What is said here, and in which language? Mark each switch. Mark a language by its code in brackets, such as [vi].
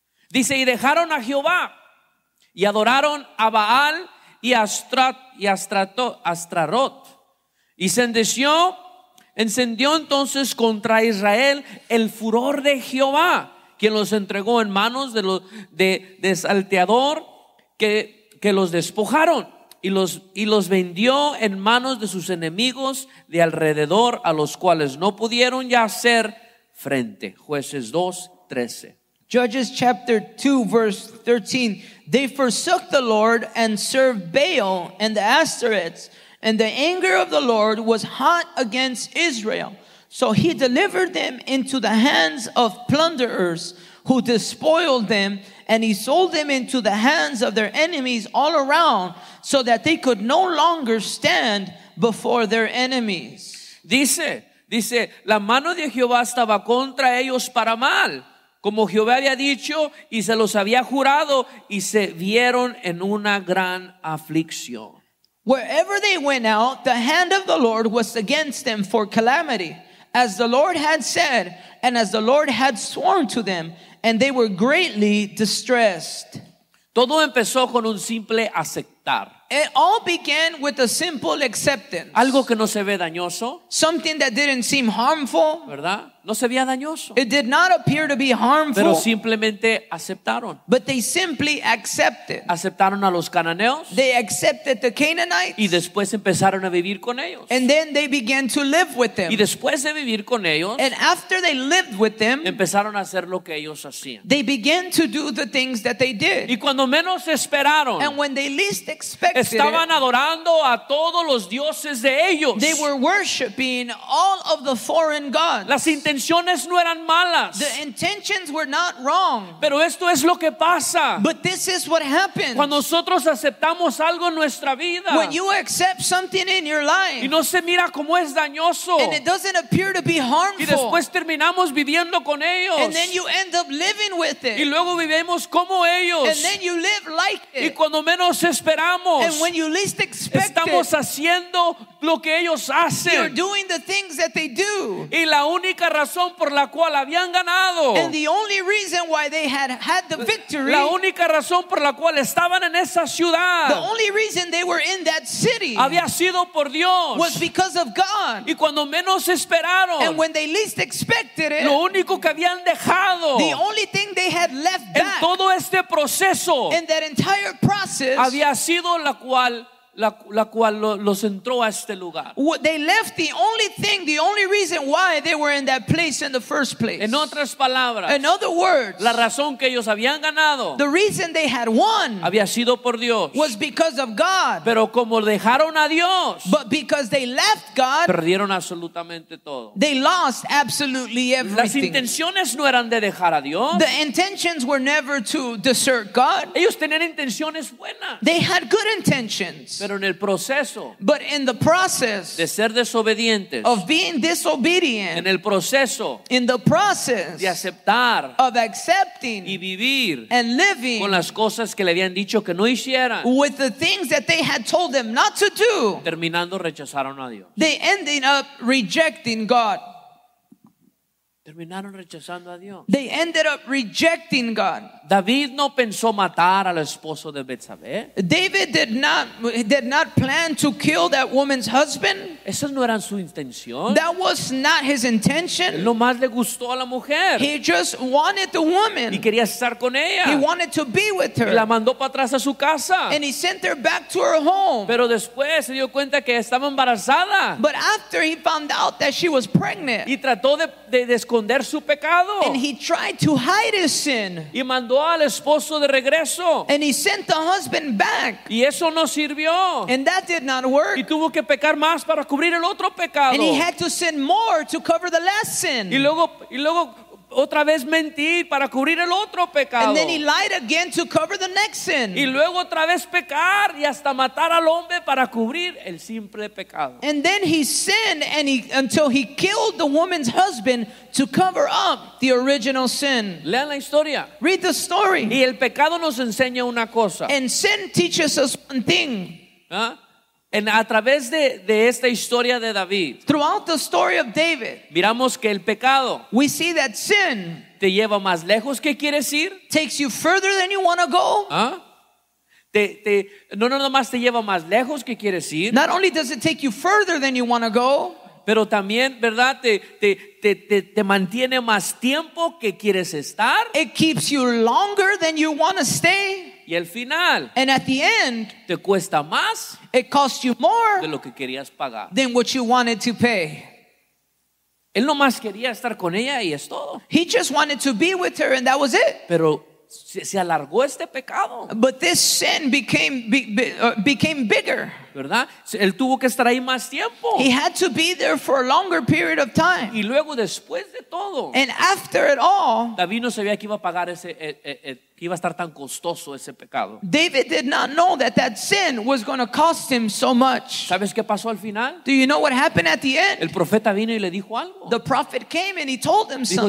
[es] Dice, y dejaron a Jehová y adoraron a Baal y a Astaroth, y encendió entonces contra Israel el furor de Jehová, quien los entregó en manos de los de Salteador, que los despojaron y los vendió en manos de sus enemigos de alrededor, a los cuales no pudieron ya hacer frente. Jueces 2:13. [en] Judges chapter 2 verse 13. They forsook the Lord and served Baal and the Ashtoreths, and the anger of the Lord was hot against Israel. So he delivered them into the hands of plunderers, who despoiled them, and he sold them into the hands of their enemies all around, so that they could no longer stand before their enemies. [es] Dice, la mano de Jehová estaba contra ellos para mal, como Jehová había dicho y se los había jurado, y se vieron en una gran aflicción. [en] Wherever they went out, the hand of the Lord was against them for calamity, as the Lord had said, and as the Lord had sworn to them, and they were greatly distressed. [es] Todo empezó con un simple aceptar. [en] It all began with a simple acceptance. [es] Algo que no se ve dañoso. [en] Something that didn't seem harmful. [es] ¿Verdad? No se veía dañoso. [en] It did not appear to be harmful. [es] Pero simplemente aceptaron. [en] But they simply accepted. [es] Aceptaron a los cananeos. [en] They accepted the Canaanites. [es] Y después empezaron a vivir con ellos. [en] And then they began to live with them. [es] Y después de vivir con ellos, [en] and after they lived with them, [es] empezaron a hacer lo que ellos hacían. [en] They began to do the things that they did. [es] Y cuando menos esperaron, [en] and when they least expected, [es] estaban adorando a todos los dioses de ellos. [en] They were worshiping all of the foreign gods. [es] Las intenciones no eran malas. [en] The intentions were not wrong. [es] Pero esto es lo que pasa. [en] But this is what happens. [es] Cuando nosotros aceptamos algo en nuestra vida. [en] When you accept something in your life. [es] Y no se mira como es dañoso. [en] And it doesn't appear to be harmful. [es] Y después terminamos viviendo con ellos. [en] And then you end up living with it. [es] Y luego vivimos como ellos. [en] And then you live like it. [es] Y cuando menos esperamos. [en] And when you least expect it. [es] Estamos haciendo lo que ellos hacen. [en] You're doing the things that they do. [es] Y la única razón por la cual habían ganado, [en] and the only reason why they had had the victory, [es] la única razón por la cual estaban en esa ciudad, [en] the only reason they were in that city, [es] había sido por Dios, [en] was because of God. [es] Y cuando menos esperaron, [en] and when they least expected it, [es] lo único que habían dejado, [en] the only thing they had left back, [es] en todo este proceso, [en] in that entire process, [es] había sido la cual los entró a este lugar. [en] They left the only thing, the only reason why they were in that place in the first place. [es] En otras palabras, [en] in other words, [es] la razón que ellos habían ganado, [en] the reason they had won, [es] había sido por Dios, [en] was because of God. [es] Pero como dejaron a Dios, [en] but because they left God, [es] perdieron absolutamente todo. [en] They lost absolutely everything. [es] Las intenciones no eran de dejar a Dios. [en] The intentions were never to desert God. [es] Ellos tenían intenciones buenas. [en] They had good intentions. [es] Pero en el proceso, [en] but in the process, [es] de ser desobedientes, [en] of being disobedient, [es] en el proceso, [en] in the process, [es] de aceptar, [en] of accepting, [es] y vivir, [en] and living, [es] con las cosas que le habían dicho que no hicieran, [en] with the things that they had told them not to do, [es] terminando rechazaron a Dios. [en] They ended up rejecting God. [es] Terminaron rechazando a Dios. [en] They ended up rejecting God. [es] David no pensó matar al esposo de Betsabé. [en] David did not plan to kill that woman's husband. [es] Esa no era su intención. [en] That was not his intention. [es] Lo más le gustó a la mujer. [en] He just wanted the woman. [es] Y quería estar con ella. [en] He wanted to be with her. [es] Y la mandó para atrás a su casa. [en] And he sent her back to her home. [es] Pero después se dio cuenta que estaba embarazada. [en] But after he found out that she was pregnant. [es] Y trató de esconder su pecado. [en] And he tried to hide his sin. [es] Y mandó al esposo de regreso. [en] And he sent the husband back. [es] Y eso no sirvió. [en] And that did not work. [es] Y tuvo que pecar más para cubrir el otro pecado. [en] And he had to sin more to cover the last sin. [es] Y luego otra vez mentir para cubrir el otro pecado. [en] And then he lied again to cover the next sin. [es] Y luego otra vez pecar y hasta matar al hombre para cubrir el simple pecado. [en] And then he sinned until he killed the woman's husband to cover up the original sin. [es] Lean la historia. [en] Read the story. [es] Y el pecado nos enseña una cosa. [en] And sin teaches us one thing. [es] A través de esta historia de David, [en] throughout the story of David, [es] miramos que el pecado, [en] we see that sin, [es] te lleva más lejos que quieres ir, [en] takes you further than you want to go. [es] No nomás te lleva más lejos que quieres ir. [en] Not only does it take you further than you want to go, [es] pero también, ¿verdad? Te mantiene más tiempo que quieres estar. [en] It keeps you longer than you want to stay. [es] Y al final, [en] and at the end, [es] te cuesta más, [en] it costs you more [es] de lo que querías pagar, [en] than what you wanted to pay. [es] Él nomás quería estar con ella y es todo. [en] He just wanted to be with her and that was it. [es] Pero se alargó este pecado. [en] But this sin became bigger. [es] ¿Verdad? Él tuvo que estar ahí más tiempo. [en] He had to be there for a longer period of time. [es] Y luego después de todo. [en] And after it all. [es] David no sabía que iba a pagar ese que iba a estar tan costoso ese pecado. [en] David did not know that sin was going to cost him so much. [es] ¿Sabes qué pasó al final? [en] Do you know what happened at the end? [es] El profeta vino y le dijo algo. [en] The prophet came and he told him something.